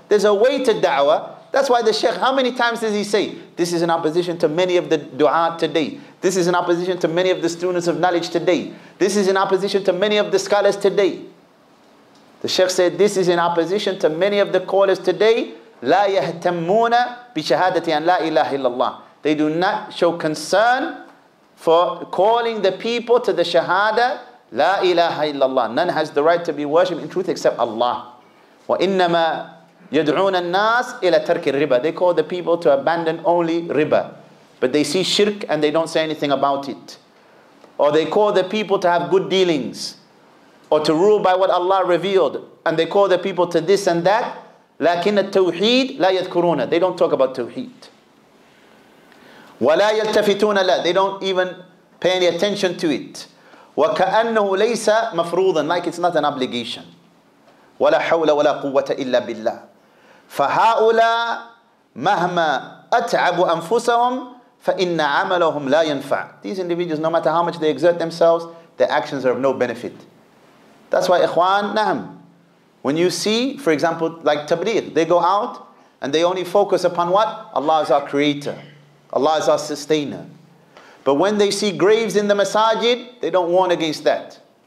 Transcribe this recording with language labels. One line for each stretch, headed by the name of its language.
English: There's a way to da'wah. That's why the Shaykh, how many times does he say, this is in opposition to many of the du'a today. This is in opposition to many of the students of knowledge today. This is in opposition to many of the scholars today. The Shaykh said, this is in opposition to many of the callers today.
Arabic: لا يهتمون بشهادة أن لا إله إلا الله.
English: They do not show concern for calling the people to the shahada,
Arabic: لا إله إلا الله.
English: None has the right to be worshipped in truth except Allah.
Arabic: وإنما يدعون الناس إلى ترك الربا.
English: They call the people to abandon only riba. But they see shirk and they don't say anything about it. Or they call the people to have good dealings, or to rule by what Allah revealed, and they call the people to this and that.
Arabic: لكن التوحيد لا يذكرون.
English: They don't talk about توحيد.
Arabic: ولا يلتفتون لا.
English: They don't even pay any attention to it.
Arabic: وكأنه ليس مفروضا.
English: Like it's not an obligation.
Arabic: ولا حول ولا قوة إلا بالله. فهؤلاء مهما أتعبوا أنفسهم فإن عملهم لا ينفع.
English: These individuals, no matter how much they exert themselves, their actions are of no benefit. That's why, ikhwan, naham. When you see, for example, like tabligh, they go out and they only focus upon what? Allah is our creator. Allah is our sustainer. But when they see graves in the masajid, they don't warn against that.